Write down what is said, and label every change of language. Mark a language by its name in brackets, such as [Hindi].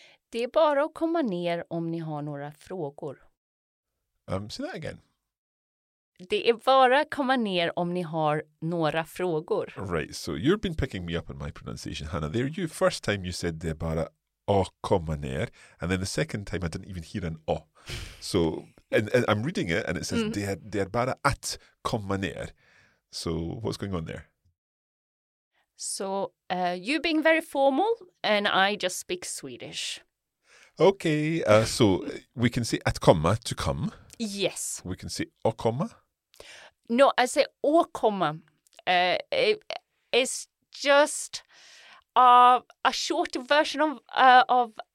[Swedish] Det är bara att komma ner om ni har några frågor. [English] Say that again. [Swedish] Det är bara att komma ner om ni har några frågor. [English] Right, so you've been picking me up on my pronunciation, Hannah. There you, first time you said [Swedish] det är bara att komma ner. [English] And then the second time I didn't even hear an å. So... And I'm reading it and it says, [Swedish] det är bara att komma ner. [English] So what's going on there? So you being very formal and I just speak Swedish. Okay, so we can say [Swedish] att komma, [English] to come. Yes. We can say [Swedish] å komma. [English] No, I say [Swedish] å komma. [English] It's just a short version of